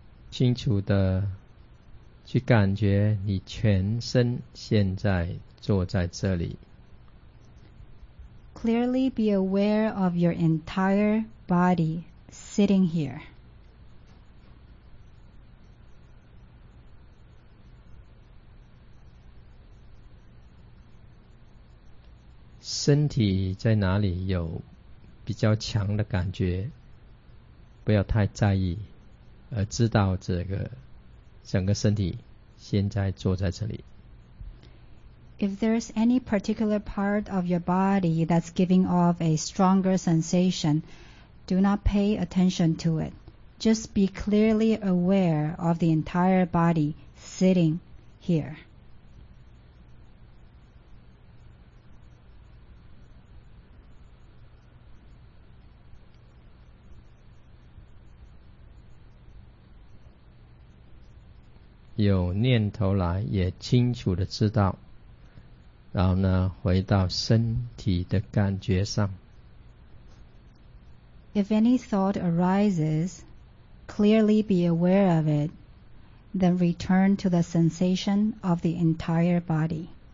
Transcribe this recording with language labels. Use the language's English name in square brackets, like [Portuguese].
[Chinese] 清楚地去感觉你全身现在坐在这里。 [English] Clearly be aware of your entire body sitting here. [Chinese] 身体在哪里有比较强的感觉，不要太在意。而知道这个整个身体现在坐在这里。 [English] If there's any particular part of your body that's giving off a stronger sensation, do not pay attention to it. Just be clearly aware of the entire body sitting here. [Chinese] 有念头来也清楚地知道，然后呢回到身体的感觉上。 [English] If any thought arises, clearly be aware of it, then return to the sensation of the entire body.